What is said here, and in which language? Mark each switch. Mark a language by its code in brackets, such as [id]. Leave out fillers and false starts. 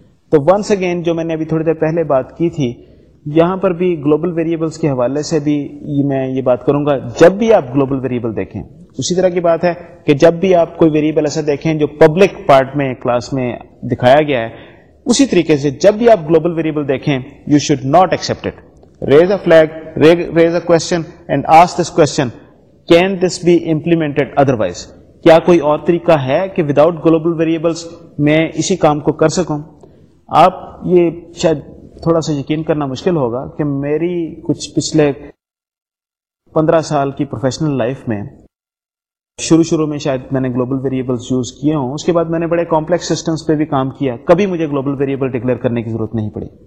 [ur] تو once again جو میں نے ابھی تھوڑی دیر پہلے بات کی تھی, یہاں پر بھی گلوبل ویریبلس کے حوالے سے بھی میں یہ بات کروں گا, جب بھی آپ گلوبل ویریبل دیکھیں, اسی طرح کی بات ہے کہ جب بھی آپ کوئی ویریبل ایسا دیکھیں جو پبلک پارٹ میں کلاس میں دکھایا گیا ہے, اسی طریقے سے جب بھی آپ گلوبل ویریبل دیکھیں [en] You should not accept it. Raise a flag, raise a question and ask this question, can this be implemented otherwise? [ur] کیا کوئی اور طریقہ ہے کہ [en] without global variables [ur] میں اسی کام کو کر سکوں؟ آپ یہ شاید تھوڑا سا یقین کرنا مشکل ہوگا کہ میری کچھ پچھلے 15 سال کی پروفیشنل لائف میں شروع شروع میں شاید میں نے گلوبل ویریبلز یوز کیے ہوں، اس کے بعد میں نے بڑے کمپلیکس سسٹمز پہ بھی کام کیا، کبھی مجھے گلوبل ویریبل ڈکلیئر کرنے کی ضرورت نہیں پڑی.